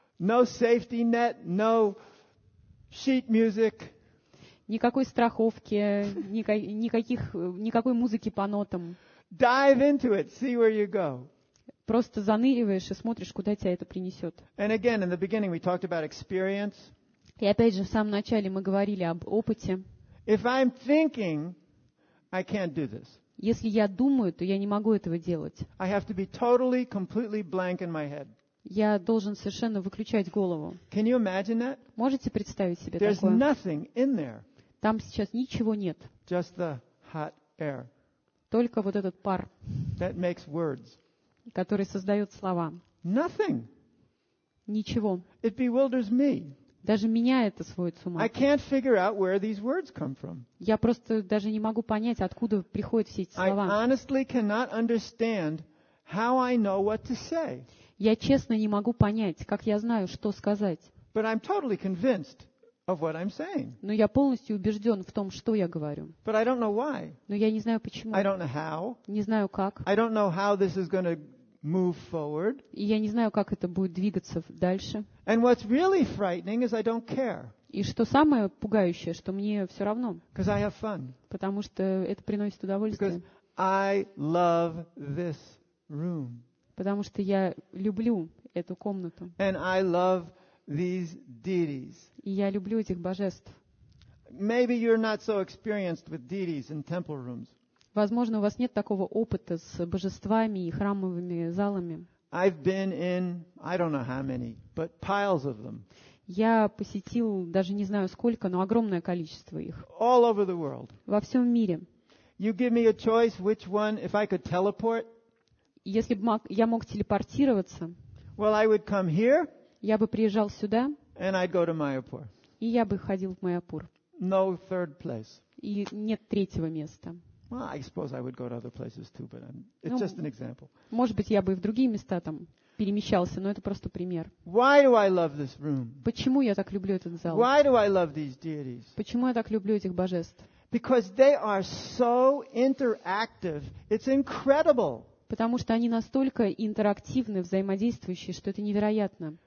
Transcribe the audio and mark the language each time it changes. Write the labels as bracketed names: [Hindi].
[English] No safety net, no sheet music. [Russian] Никакой страховки, никакой музыки по нотам. [English] Dive into it, see where you go. [Russian] Просто заныриваешь и смотришь, куда тебя это принесет. [English] And again, in the beginning we talked about experience. [Russian] И опять же, в самом начале мы говорили об опыте. [English] If I'm thinking, I can't do this. [Russian] Если я думаю, то я не могу этого делать. [English] I have to be totally, completely blank in my head. [Russian] Я должен совершенно выключать голову. [English] Can you imagine that? [Russian] Можете представить себе [English] There's [Russian] такое? [English] Nothing in there. [Russian] Там сейчас ничего нет. [English] Just the hot air. [Russian] Только вот этот пар. [English] That makes words. [Russian] Который создает слова. [English] Nothing. [Russian] Ничего. [English] It bewilders me. [Russian] Даже меня это сводит с ума. [English] I can't figure out where these words come from. [Russian] Я просто даже не могу понять, откуда приходят все эти слова. [English] I honestly cannot understand how I know what to say. [Russian] Я честно не могу понять, как я знаю, что сказать. [English] But I'm totally convinced of what I'm saying. [Russian] Но я полностью убежден в том, что я говорю. [English] But I don't know why. [Russian] Но я не знаю почему. [English] I don't know how. [Russian] Не знаю как. [English] I don't know how this is going to move forward. [Russian] И я не знаю, как это будет двигаться дальше. [English] And what's really frightening is I don't care. [Russian] И что самое пугающее, что мне все равно. [English] Because I have fun. [Russian] Потому что это приносит удовольствие. [English] Because I love this room. [Russian] Потому что я люблю эту комнату. [English] And I love these deities. [Russian] И я люблю этих божеств. [English] Maybe you're not so experienced with deities in temple rooms. [Russian] Возможно, у вас нет такого опыта с божествами и храмовыми залами. [English] I've been in, I don't know how many, but piles of them. [Russian] Я посетил даже не знаю сколько, но огромное количество их. [English] All over the world. [Russian] Во всем мире. [English] You give me a choice which one, if I could teleport. [Russian] Если бы я мог телепортироваться, [English] well, I would come here, [Russian] я бы приезжал сюда, [English] and I'd go to Mayapur. [Russian] И я бы ходил в Майяпур. [English] No third place. [Russian] И нет третьего места. [English] Well, I suppose I would go to other places too, but it's just an example. [Russian] Может быть, я бы и в другие места там перемещался, но это просто пример. [English] Why do I love this room? [Russian] Почему я так люблю этот зал? [English] Why do I love these deities? [Russian] Почему я так люблю этих божеств? [English] Because they are so interactive. It's incredible. [Russian] Потому что они настолько интерактивны, взаимодействующие, что это невероятно.